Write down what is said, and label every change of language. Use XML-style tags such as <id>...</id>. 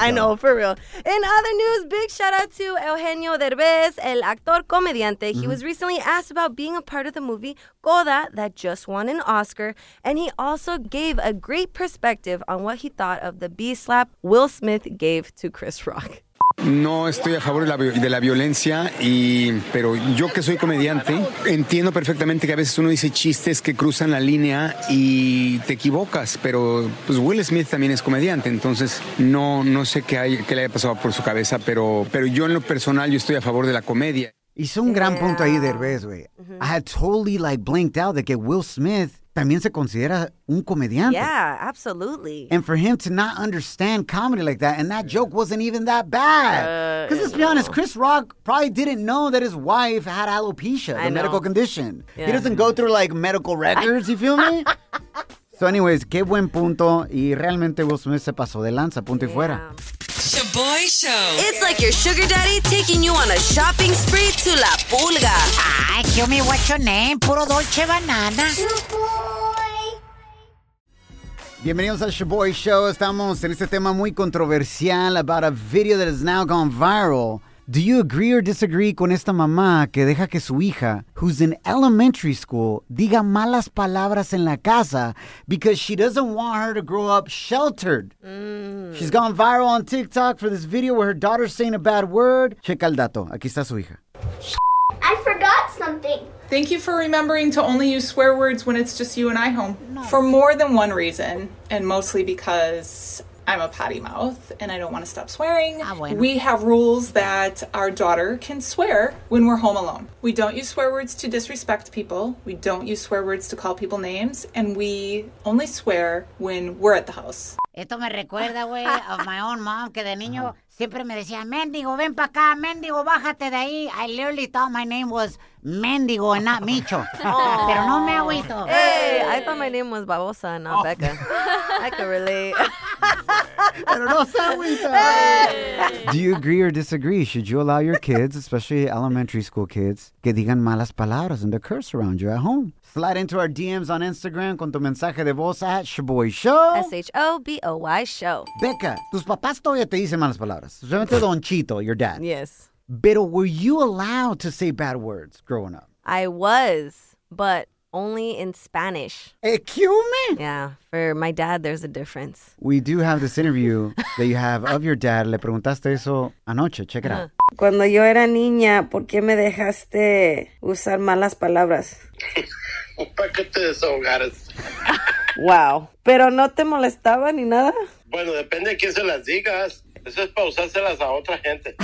<en>I know, for real. In other news, big shout out to Eugenio Derbez,</en> <es>el actor comediante.</es> <en>Mm-hmm. He was recently asked about being a part of the movie Coda that just won an Oscar. And he also gave a great perspective on what he thought of the B-slap Will Smith gave to Chris Rock.</en> <es>No estoy a favor de la violencia, pero yo que soy comediante, entiendo perfectamente que a veces uno dice chistes que cruzan la línea y te equivocas, pero pues Will Smith también es comediante, entonces no sé qué le haya pasado por su cabeza, pero yo en lo personal yo estoy a favor de la comedia. Hizo un gran punto ahí, Derbez, güey. Mm-hmm.</es> <en>I had totally like blinked out</en> <es>de que Will Smith también se considera un comediante.</es> <en>Yeah, absolutely. And for him to not understand comedy like that, and that joke wasn't even that bad. Because let's be honest, Chris Rock probably didn't know that his wife had alopecia, medical condition. Yeah. He doesn't go through, like, medical records, you feel me? So anyways,</en> <es>qué buen punto. Y realmente Will Smith se pasó de lanza, punto y fuera.</es> <en>Shaboy Show. It's like your sugar daddy taking you on a shopping spree to La Pulga. Ay, kill me, what's your name? Puro Dolce Banana.</en> <es>Bienvenidos a Shaboy Show. Estamos en este tema muy controversial</es> <en>about a video that has now gone viral. Do you agree or disagree</en> <es>con esta mamá que deja que su hija,</es> <en>who's in elementary school,</en> <es>diga malas palabras en la casa</es> <en>because she doesn't want her to grow up sheltered? She's gone viral on TikTok for this video where her daughter's saying a bad word.</en> <es>Checa el dato. Aquí está su hija.</es> <en>I forgot something. Thank you for remembering to only use swear words when it's just you and I home. No. For more than one reason, and mostly because I'm a potty mouth and I don't want to stop swearing. We have rules that our daughter can swear when we're home alone. We don't use swear words to disrespect people. We don't use swear words to call people names. And we only swear when we're at the house.</en> <es>Esto me recuerda, güey,</es> <en>of my own mom,</en> <es>que de niño siempre me decía, mendigo, ven pa' acá, mendigo, bájate de ahí.</es> <en>I literally thought my name was mendigo and not Micho.</en> <es>Pero no me agüito.</es> <en>Hey, I thought my name was babosa, not Becca. I could relate. And an osawita. Hey. Do you agree or disagree? Should you allow your kids, especially elementary school kids,</en> <es>que digan malas palabras</es> <en>and to curse around you at home? Slide into our DMs on Instagram</en> <es>con tu mensaje de voz</es> <en>at Shaboy Show. S-H-O-B-O-Y Show.</en> <es>Becca, tus papás todavía te dicen malas palabras. Especialmente Don Chito,</es> <en>your dad. Yes. But were you allowed to say bad words growing up? I was, but only in Spanish. Excuse me? Yeah, for my dad, there's a difference. We do have this interview that you have of your dad.</en> <es>Le preguntaste eso anoche.</es> <en>Check it out.</en> <es>Cuando yo era niña, ¿por qué me dejaste usar malas palabras? ¿Para qué te desahogaras? Wow. ¿Pero no te molestaba ni nada? Bueno, depende de quién se las digas. Eso es para usárselas a otra gente.</es>